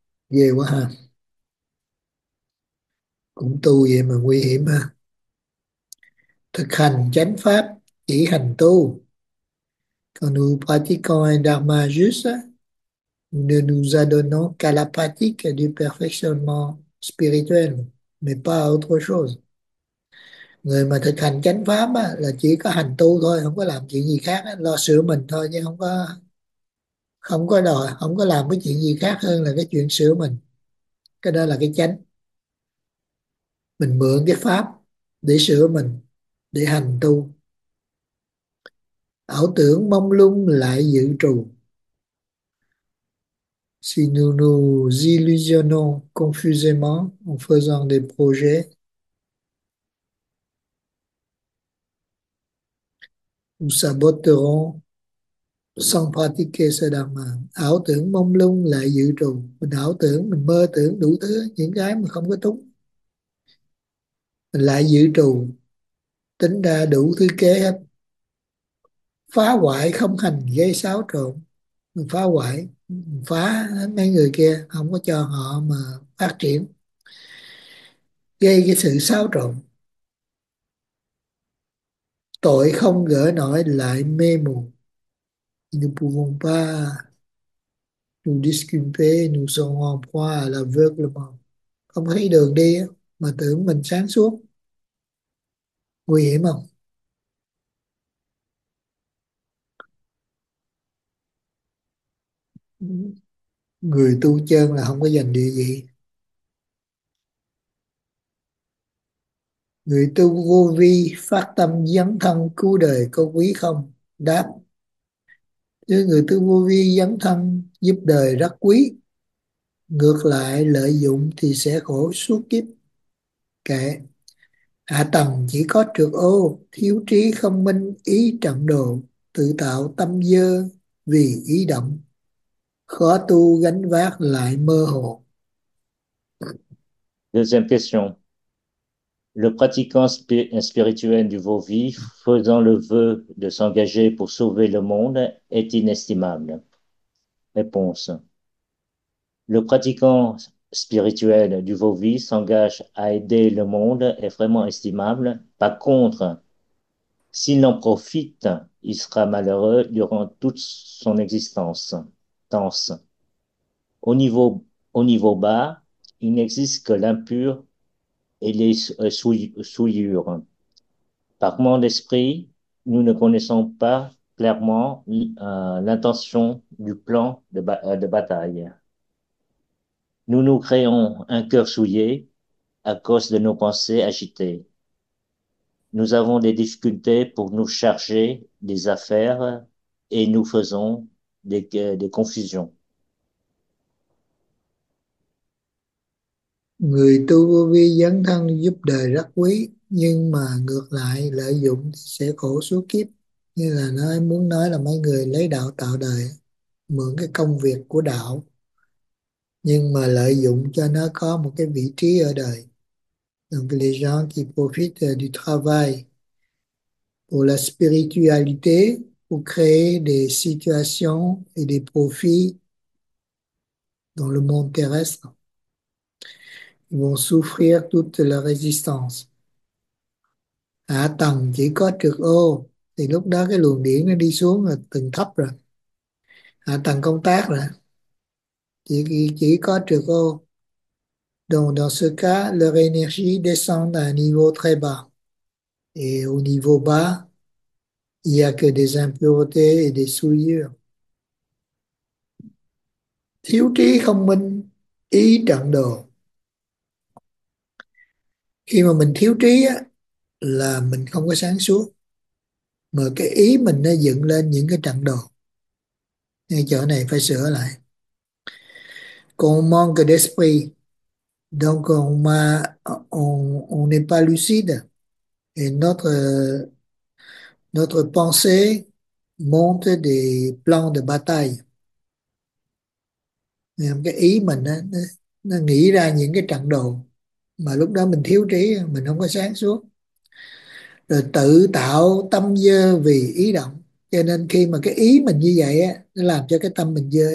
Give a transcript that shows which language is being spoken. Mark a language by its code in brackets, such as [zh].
[vi] Ghê quá ha, cũng tu vậy mà nguy hiểm ha. Thực hành chánh pháp chỉ hành tu, còn [fr] nous pratiquons un dharma juste ne nous adonnons qu'à la pratique du perfectionnement spirituel, mais pas à autre chose. [vi] Người mà thực hành chánh pháp á, là chỉ có hành tu thôi, không có làm chuyện gì khác á, lo sửa mình thôi, chứ không có đòi, không có làm cái chuyện gì khác hơn là cái chuyện sửa mình. Cái đó là cái chánh. Mình mượn cái pháp để sửa mình, để hành tu. Ảo tưởng mông lung lại dự trù. [fr] Si nous nous illusionnons confusément en faisant des projets, nous saboterons sans pratiquer ce dharma. [vi] Ảo tưởng mông lung lại dự trù. Mình ảo tưởng, mình mơ tưởng đủ thứ, những cái mà không có đúng. Mình lại dự trù, tính ra đủ thứ kế hết. Phá hoại không hành gây xáo trộn. Mình phá hoại, mình phá mấy người kia, không có cho họ mà phát triển, gây cái sự xáo trộn. Tội không gỡ nổi lại mê mù. [fr] Nous ne pouvons pas nous disculper, nous sommes en proie à l'aveuglement. [vi] Không thấy đường đi mà tưởng mình sáng suốt. Nguy hiểm không? Người tu chân là không có giành địa vị. Người tu vô vi phát tâm dấn thân cứu đời có quý không? Đáp: nếu người tu vô vi dấn thân giúp đời rất quý, ngược lại lợi dụng thì sẽ khổ suốt kiếp. Kệ: hạ tầng chỉ có trược ô, thiếu trí không minh ý trận đồ, tự tạo tâm dơ vì ý động, khó tu gánh vác lại mơ hồ. [fr] Deuxième question. Le pratiquant spirituel du Vovi faisant le vœu de s'engager pour sauver le monde est inestimable. Réponse. Le pratiquant spirituel du Vovi s'engage à aider le monde est vraiment estimable. Par contre, s'il en profite il sera malheureux durant toute son existence. Tense. Au niveau bas, il n'existe que l'impur et les souillures. Par manque d'esprit, nous ne connaissons pas clairement l'intention du plan de bataille. Nous nous créons un cœur souillé à cause de nos pensées agitées. Nous avons des difficultés pour nous charger des affaires et nous faisons des confusions. [vi] Người tu vô vi dấn thân giúp đời rất quý, nhưng mà ngược lại lợi dụng sẽ khổ suốt kiếp. Như là nói muốn nói là mấy người lấy đạo tạo đời, mượn cái công việc của đạo, nhưng mà lợi dụng cho nó có một cái vị trí ở đời. [fr] Donc les gens qui profitent du travail pour la spiritualité, pour créer des situations et des profits dans le monde terrestre, vont souffrir toute leur résistance. [vi] Hạ tầng chỉ có trượt ô thì lúc đó cái luồng điển nó đi xuống là từng thấp rồi. Hạ tầng công tác rồi. Chỉ có trượt ô. [fr] Donc dans ce cas, leur énergie descend à un niveau très bas. Et au niveau bas, il n'y a que des impuretés et des souillures. [vi] Thiếu trí không minh, ý trận đồ. Khi mà mình thiếu trí á, là mình không có sáng suốt, mà cái ý mình nó dựng lên những cái trận đồ. Ngay chỗ này phải sửa lại. [fr] Còn manque d'esprit, donc on n'est pas lucide, et notre pensée monte des plans de bataille. [vi] Cái ý mình á, nó nghĩ ra những cái trận đồ, mà lúc đó mình thiếu trí, mình không có sáng suốt, rồi tự tạo tâm dơ vì ý động. Cho nên khi mà cái ý mình như vậy á, nó làm cho cái tâm mình dơ.